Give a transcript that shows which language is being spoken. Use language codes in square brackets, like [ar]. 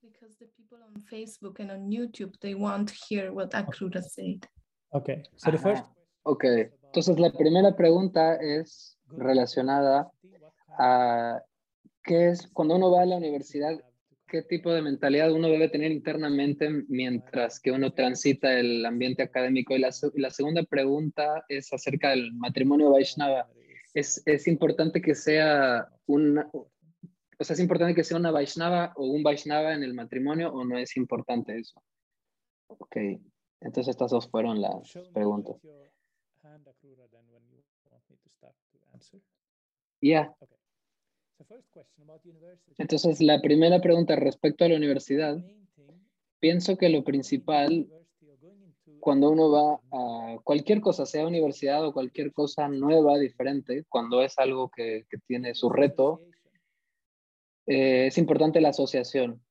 [en] because the people on Facebook and on YouTube, they want to hear what Akrura said. Okay, so the first... [es] Okay, entonces la primera pregunta es relacionada a qué es cuando uno va a la universidad, qué tipo de mentalidad uno debe tener internamente mientras que uno transita el ambiente académico. Y la segunda pregunta es acerca del matrimonio Vaishnava. Es importante que sea una, o sea, es importante que sea una Vaishnava o un Vaishnava en el matrimonio o no es importante eso. Okay, entonces estas dos fueron las preguntas. [en] And Akrura, then when you want me to start to answer. Yeah. Okay. The first question about university. [es] Entonces, la primera pregunta respecto a la universidad. Pienso que lo principal cuando uno va a cualquier cosa, sea universidad o cualquier cosa nueva, diferente, cuando es algo que tiene su reto, es importante la asociación.